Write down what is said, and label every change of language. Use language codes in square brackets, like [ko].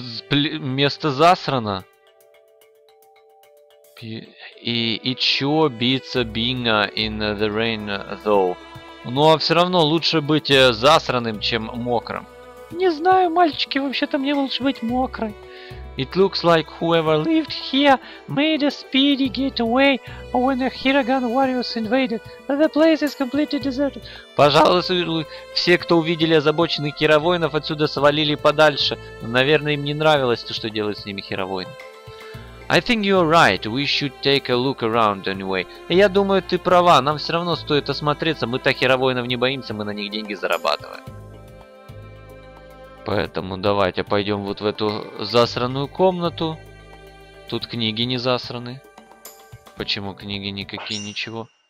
[ru] место засрано. И чё биться бинга in the rain, though? Ну, а все равно лучше быть засранным, чем мокрым. Не знаю, мальчики, вообще-то мне лучше быть мокрым. [en] It looks like whoever lived here made a speedy getaway when the Hiragan warriors invaded. The place is completely deserted. [ru] Пожалуй, все, кто увидели озабоченных хировоинов, отсюда свалили подальше. Наверное, им не нравилось то, что делают с ними хировоины. [en] I think you're right. We should take a look around anyway. [ru] Я думаю, ты права. Нам все равно стоит осмотреться. Мы-то хировоинов не боимся, мы на них деньги зарабатываем. Поэтому давайте пойдем вот в эту засранную комнату. Тут книги не засраны. Почему книги никакие, ничего?